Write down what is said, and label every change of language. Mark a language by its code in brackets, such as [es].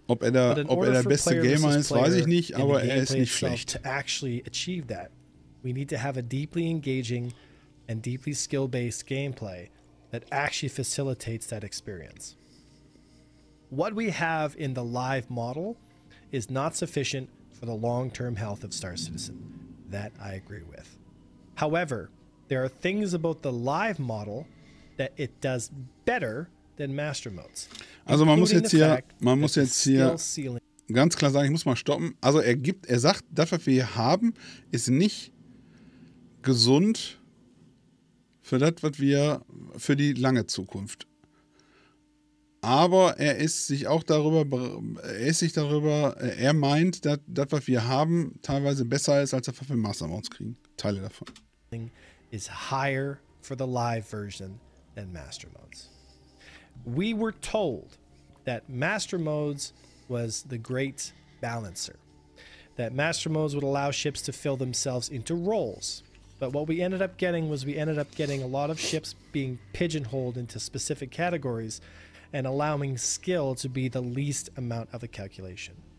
[de] Ob er der beste Gamer ist, weiß ich nicht, aber er ist nicht schlecht. [en] To actually achieve that, we need to have a deeply engaging and deeply skill-based gameplay that actually facilitates that experience. What we have in the live model is not sufficient for the long-term health of Star Citizen. That I agree with. However, there are things about the live model that it does better than MasterModes. [de] Also man muss jetzt hier ganz klar sagen, ich muss mal stoppen. Also er sagt, das, was wir hier haben, ist nicht gesund für das, was wir für die lange Zukunft. Aber er meint, dass das, was wir haben, teilweise besser ist, als das, was wir in MasterModes kriegen. Teile davon. [en] Is higher for the live version than MasterModes. We were told that MasterModes was the great balancer. That MasterModes would allow ships to fill themselves into roles. But what we ended up getting was a lot of ships being pigeonholed into specific categories and allowing skill to be the least amount of a calculation.